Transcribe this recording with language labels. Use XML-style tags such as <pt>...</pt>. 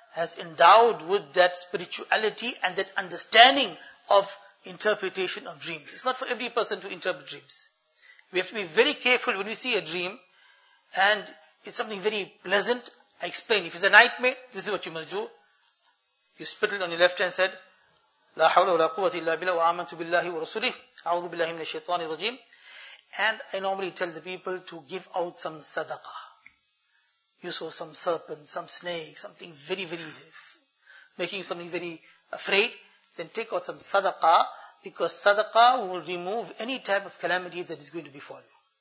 <en>has endowed with that spirituality and that understanding of interpretation of dreams. It's not for every person to interpret dreams. We have to be very careful when we see a dream and it's something very pleasant. I explain, if it's a nightmare, this is what you must do. You spit it on your left hand and said,</en> <ar>لا حول ولا قوة إلا بالله وآمنت بالله ورسوله أعوذ بالله من الشيطان الرجيم.</ar> <en>And I normally tell the people to give out some sadaqah. You saw some serpent, some snake, something very, very, making something very afraid. Then take out some sadaqah, because sadaqah will remove any type of calamity that is going to befall you.</en>